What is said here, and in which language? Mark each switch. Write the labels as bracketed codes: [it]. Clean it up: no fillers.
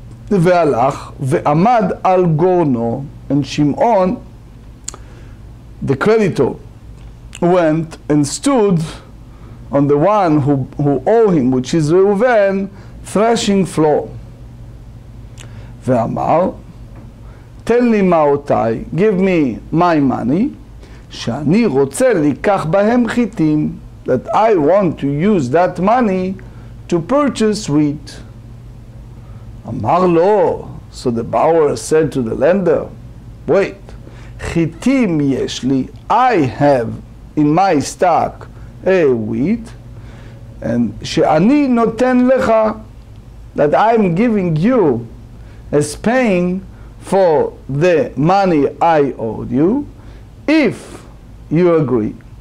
[he] והלך ועמד על גורנו, [en] and Shimon, the creditor, went and stood on the one who owed him, which is Reuven, threshing floor. [he] ואמר, תן לי מאותיי, [en] give me my money, [he] שאני רוצה לקח בהם חיטים, [en] that I want to use that money to purchase wheat. אמר לו, so the borrower said to the lender, wait, [he] חיטים יש לי, [en] I have in my stock a wheat, and [he] שאני נותן לך, [en] that I'm giving you as paying for the money I owed you, if you agree.